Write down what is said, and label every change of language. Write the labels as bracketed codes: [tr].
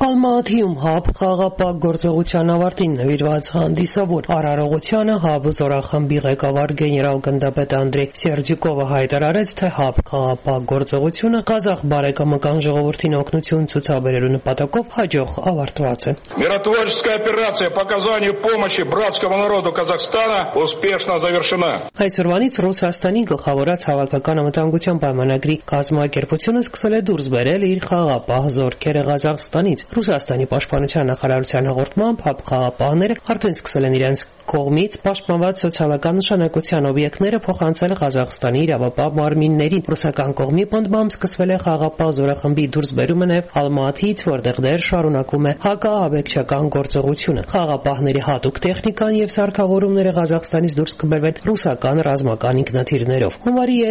[hy] Ալմաթիում ՀԱՊ խաղապակ գործողության ավարտին նվիրված հանդիսավոր արարողությանը ՀԱՊ զորախմբի ղեկավար գեներալ գնդապետ Անդրեյ Սերդյուկովը հայտարարեց, թե ՀԱՊ խաղապակ գործողությունը Ղազախ բարեկամական ժողովրդին օգնություն ցուցաբերելու նպատակով հաջող ավարտված է։ [ru] Миротворческая операция по оказанию помощи братскому народу Казахстана успешно завершена։ [hy] Այսօրվանից Հայաստանի գլխավորած հավաքական անվտանգության պայմանագրի կազմակերպությունը սկսել է դուրս բերել իր խաղապահ զորքերը Ղազախստանից։ Ռուսաստանի պաշտպանության նախարարության հաղորդմամբ ՀԱՊ խաղապահները արդեն սկսել են իրենց կողմից պաշտպանված սոցիալական նշանակության օբյեկտները փոխանցել Ղազախստանի իրավապահ մարմիններին։ Ռուսական կողմի պատմամբ սկսվել է խաղապահ զորախմբի դուրս բերումը նաև Ալմաատից, որտեղ դեռ շարունակում է հակաաբեկչական գործողությունը։ Խաղապահների հատուկ տեխնիկան և սարքավորումները Ղազախստանից դուրս կմերվեն ռուսական ռազմական ինքնաթիռներով։ Հունվարի